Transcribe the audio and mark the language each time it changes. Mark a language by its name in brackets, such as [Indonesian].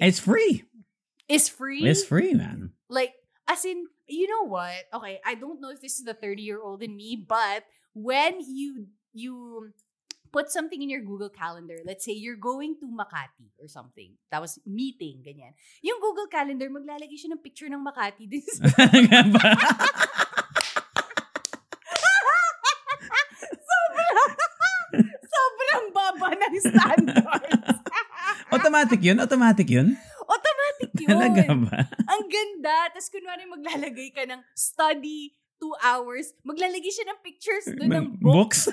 [English] It's free. It's free? It's free, man. Like, as in, you know what? Okay, I don't know if this is the 30-year-old in me, but when you put something in your Google Calendar. Let's say you're going to Makati or something. That was meeting, [Filipino] ganyan. Yung Google Calendar, maglalagay siya ng picture ng Makati. [English] This is [Filipino] sobrang baba ng standards. Automatic yun? Automatic yun. Talaga ba? Ang ganda. Tapos kunwari maglalagay ka ng study 2 hours, maglalagay siya ng pictures doon ng books.